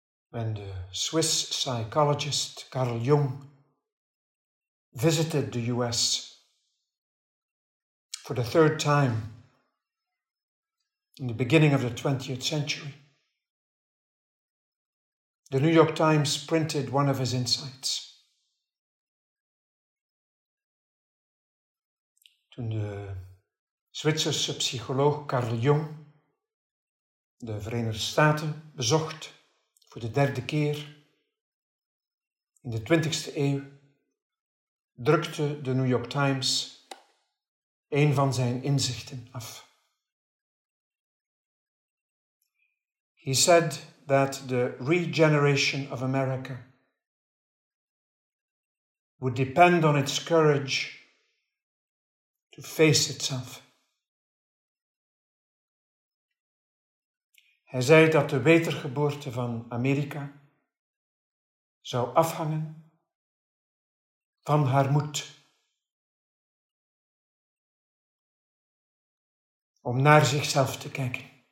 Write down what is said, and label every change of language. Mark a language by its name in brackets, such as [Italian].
[English] when the Swiss psychologist Carl Jung visited the US for the third time in the beginning of the 20th century, the New York Times printed one of his insights. [Dutch] Toen de Zwitserse psycholoog Carl Jung de Verenigde Staten bezocht voor de derde keer in de 20e eeuw, drukte de New York Times een van zijn inzichten af. [English] He said that the regeneration of America would depend on its courage to face itself. [Dutch] Hij zei dat de wedergeboorte van Amerika zou afhangen van haar moed om naar zichzelf te kijken.